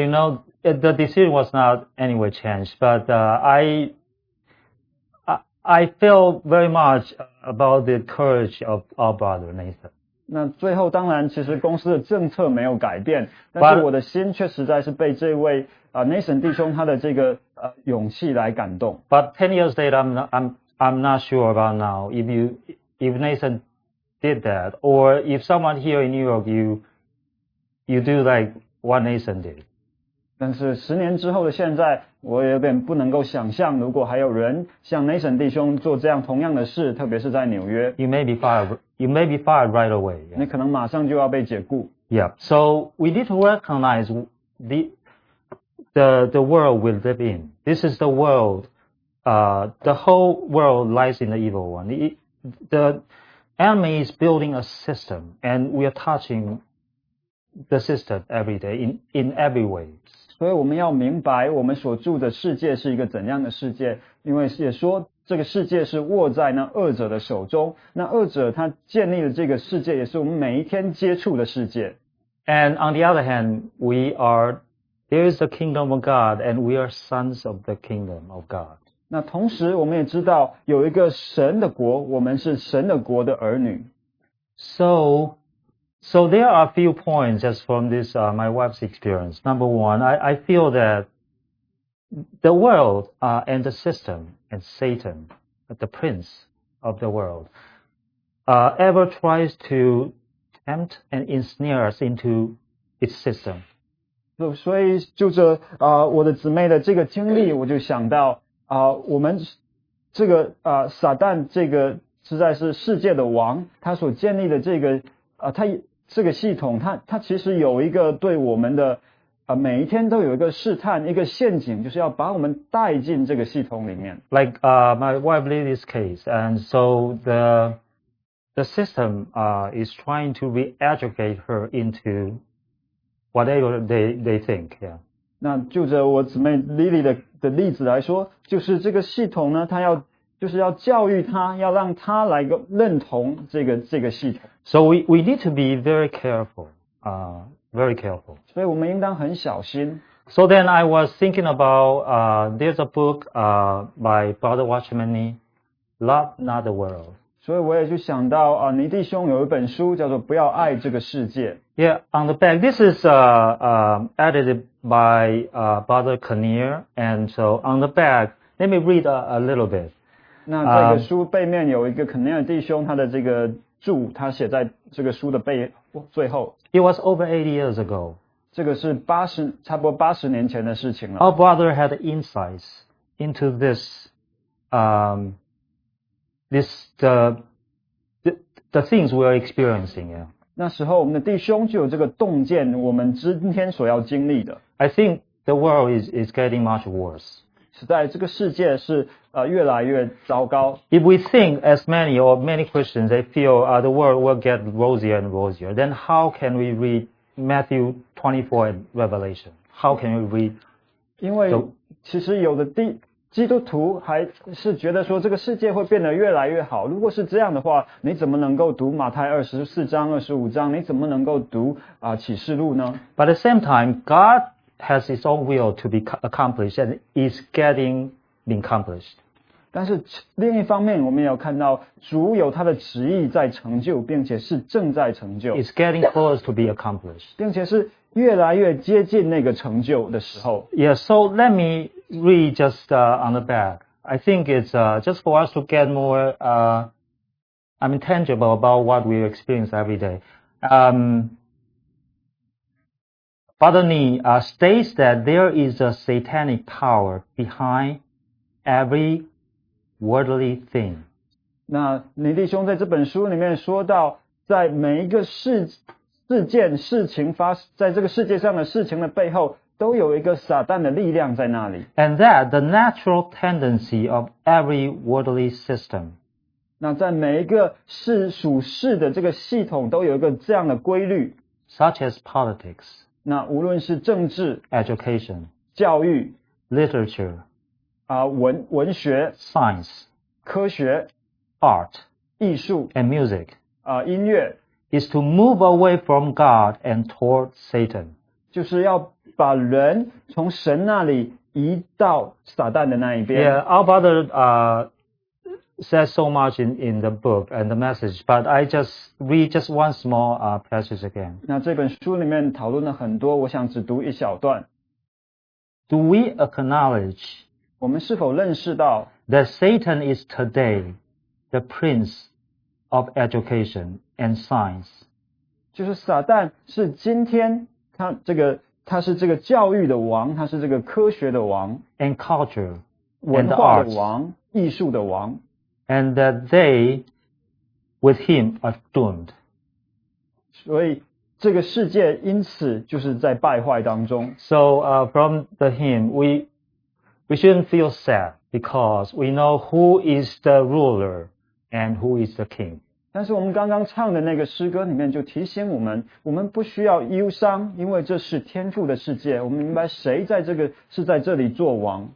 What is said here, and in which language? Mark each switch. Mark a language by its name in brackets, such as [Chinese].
[English] you know, the decision was not anyway changed, but I feel very much about the courage of our brother Nathan. [Chinese] 那最后当然其实公司的政策没有改变, 但是我的心却实在是被这位 Nathan弟兄他的这个 勇气来感动。 [English] But 10 years later, I'm not sure about now if Nathan did that, or if someone here in New York you do like what Nathan did. [Chinese] 但是十年之后的现在, 我有点不能够想象如果还有人像Nathan弟兄做这样同样的事, 特别是在纽约。 [English] You may be fired right away. Yeah. [Chinese] 你可能马上就要被解雇。 [English] Yeah, so we need to recognize the world we live in. This is the world, the whole world lies in the evil one. The enemy is building a system, and we are touching the system every day in every way. [Chinese] 所以我们要明白我们所住的世界是一个怎样的世界, 因为也说这个世界是握在那恶者的手中, 那恶者他建立的这个世界也是我们每一天接触的世界。 [English] And on the other hand, there is the kingdom of God, and we are sons of the kingdom of God. [Chinese] 那同时我们也知道有一个神的国, 我们是神的国的儿女。 [English] So there are a few points just from this my wife's experience. Number one, I feel that the world and the system and Satan, the prince of the world, ever tries to tempt and ensnare us into its system. [Chinese] 所以就着我的姊妹的这个经历，我就想到我们这个撒旦这个实在是世界的王，他所建立的这个他这个系统，他其实有一个对我们的每一天都有一个试探，一个陷阱，就是要把我们带进这个系统里面。 [English] Like my wife lived this case, and so the system is trying to re-educate her into whatever they think. Yeah. [Chinese] 那就着我姊妹 Lily 的例子来说，就是这个系统呢，它要就是要教育她，要让她来个认同这个系统。 [English] So we need to be very careful. Very careful. [Chinese] 所以我们应当很小心。 [English] So then I was thinking about there's a book by Brother Watchman Nee, Love Not the World. [Chinese] 所以我也就想到尼弟兄有一本书叫做不要爱这个世界。 [English] Yeah, on the back, this is edited by Brother Kinnear, and so on the back, let me read a little bit. [Chinese] 那这个书背面有一个 Kinnear 弟兄他的这个注，他写在这个书的背最后。 [English] It was over 80 years ago. [Chinese] 这个是差不多80年前的事情了。 [English] Our brother had insights into this, the things we are experiencing. Yeah. [Chinese] 那时候我们的弟兄就有这个洞见，我们今天所要经历的。 [English] I think the world is getting much worse. [Chinese] 实在这个世界是越来越糟糕。 [English] If we think as many or many Christians, they feel the world will get rosier and rosier, then how can we read Matthew 24 and Revelation? How can we read? [Chinese] 因为其实有的基督徒还是觉得说这个世界会变得越来越好。如果是这样的话，你怎么能够读马太24章、25章？你怎么能够读启示录呢？ [English] But at the same time, God has His own will to be accomplished and is getting accomplished. [Chinese] 但是另一方面，我们也要看到主有他的旨意在成就，并且是正在成就。 [English] It's getting close to be accomplished. [Chinese] 并且是越来越接近那个成就的时候。 [English] Yeah, so let me read just on the back. I think it's just for us to get more tangible about what we experience every day. Father Nee states that there is a satanic power behind every worldly thing. [Chinese] 那尼弟兄在这本书里面说到，在每一个事件事情发在这个世界上的事情的背后，都有一个撒旦的力量在那里。 [English] And that the natural tendency of every worldly system. [Chinese] 那在每一个属世的这个系统都有一个这样的规律。 [English] Such as politics. [Chinese] 那无论是政治。 [English] Education. [Chinese] 教育。 [English] Literature. [Chinese] 文学。 [English] Science. [Chinese] 科学。 [English] Art. [Chinese] 艺术。 [English] And music. [Chinese] 音乐。 [English] Is to move away from God and toward Satan. [Chinese] 就是要把人从神那里移到撒旦的那一边。 [English] Yeah, our brother says so much in the book and the message, but I just read just one small passage again. [Chinese] 那这本书里面讨论了很多，我想只读一小段。 [English] Do we acknowledge? [Chinese] 我们是否认识到 [English] that Satan is today the prince of education and science? [Chinese] 就是撒旦是今天他这个。他是这个教育的王，他是这个科学的王 [English] ，and culture， [Chinese] 文化的王，艺术的王 [English] ，and that they with him are doomed。 [Chinese] 所以这个世界因此就是在败坏当中。 [English] So from the hymn, we shouldn't feel sad because we know who is the ruler and who is the king。 [Chinese] 但是我们刚刚唱的那个诗歌里面就提醒我们，我们不需要忧伤，因为这是天父的世界，我们明白谁在这个是在这里做王。